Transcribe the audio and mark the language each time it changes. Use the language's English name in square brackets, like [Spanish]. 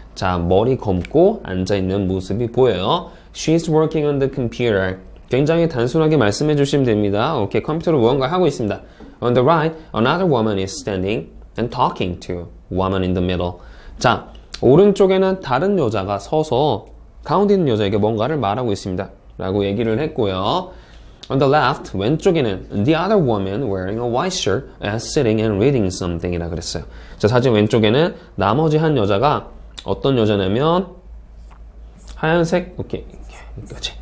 [Korean] 자, 머리 검고 앉아있는 모습이 보여요. [English] She's working on the computer. [Korean] 굉장히 단순하게 말씀해 주시면 됩니다. 오케이, 컴퓨터로 무언가 하고 있습니다. [English] On the right, another woman is standing and talking to woman in the middle. [Korean] 자, 오른쪽에는 다른 여자가 서서 가운데 있는 여자에게 뭔가를 말하고 있습니다 라고 얘기를 했고요. [English] On the left, [Korean] 왼쪽에는 [English] the other woman wearing a white shirt is sitting and reading something [Korean] 이라고 그랬어요. 자, 사진 왼쪽에는 나머지 한 여자가 어떤 여자냐면 하얀색, 오케이, 여기까지.